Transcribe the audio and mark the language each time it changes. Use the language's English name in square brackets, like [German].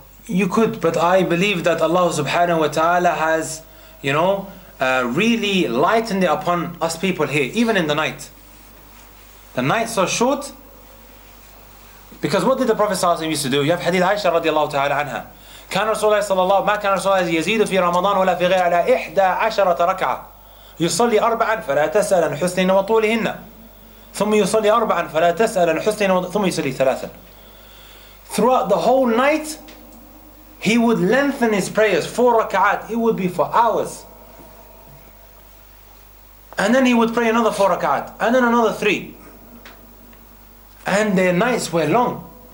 [English] you could, but I believe that Allah subhanahu wa ta'ala has, you know, really lightened it upon us people here, even in the night. The nights are short, because what did the Prophet sallallahu alaihi wasallam used to do? You have hadith Aisha radiallahu ta'ala anha. [Arabic] كان رسول الله صلى الله ما كان رسول الله يزيد في رمضان ولا في غير على 11 ركعة يصلي أربعا فلا تسأل عن حسنهن وطولهن ثم يصلي أربعا فلا تسأل عن حسنهن ثم يصلي ثلاثا. [English] Throughout the whole night, he would lengthen his prayers, 4 rak'at. It would be for hours. And then he would pray another 4 rak'at, and then another 3. And their nights were long.